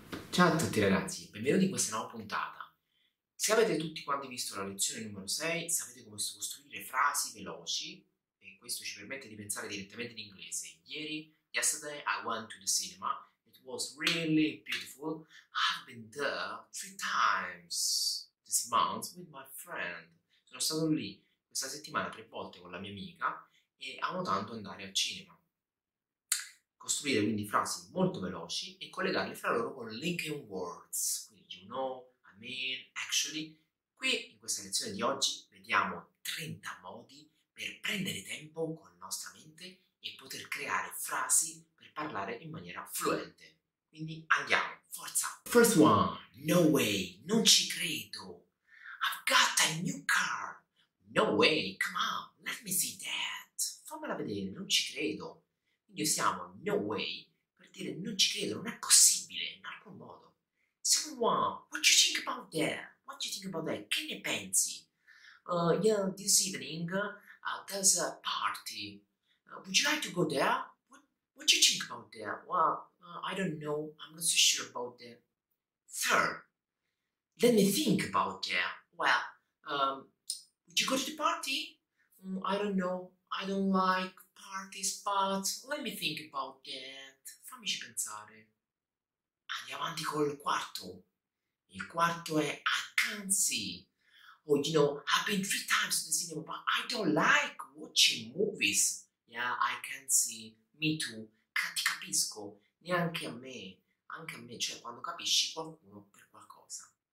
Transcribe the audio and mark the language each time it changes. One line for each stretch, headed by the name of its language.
Italian: Ciao a tutti ragazzi, benvenuti in questa nuova puntata. Se avete tutti quanti visto la lezione numero 6, sapete come costruire frasi veloci e questo ci permette di pensare direttamente in inglese. Ieri,
English: yesterday, I went to the cinema. It was really beautiful. I've been there three times this month with my friend.
Italian: Sono stato lì questa settimana tre volte con la mia amica e amo tanto andare al cinema. Costruire quindi frasi molto veloci e collegarle fra loro con linking words, quindi
English: you know, I mean, actually.
Italian: Qui in questa lezione di oggi vediamo 30 modi per prendere tempo con la nostra mente e poter creare frasi per parlare in maniera fluente. Quindi andiamo, forza!
English: First one, no way,
Italian: non ci credo.
English: I've got a new car. No way, come on, let me see that.
Italian: Fammela vedere, non ci credo. Usiamo
English: no way
Italian: per dire non ci credo, non è possibile in alcun modo.
English: Someone, what you think about that? What you think about that?
Italian: Che ne pensi?
English: Yeah, this evening there's a party. Would you like to go there? What you think about that? Well, I don't know. I'm not so sure about that. Third, let me think about that. Well, would you go to the party? I don't know. I don't like parties, but let me think about that.
Italian: Fammici pensare. Andiamo avanti col quarto. Il quarto è
English: I can't see. Oh, you know, I've been three times to the cinema, but I don't like watching movies. Yeah, I can't see. Me too.
Italian: Ti capisco. Neanche a me. Anche a me, cioè quando capisci qualcuno per qualcosa.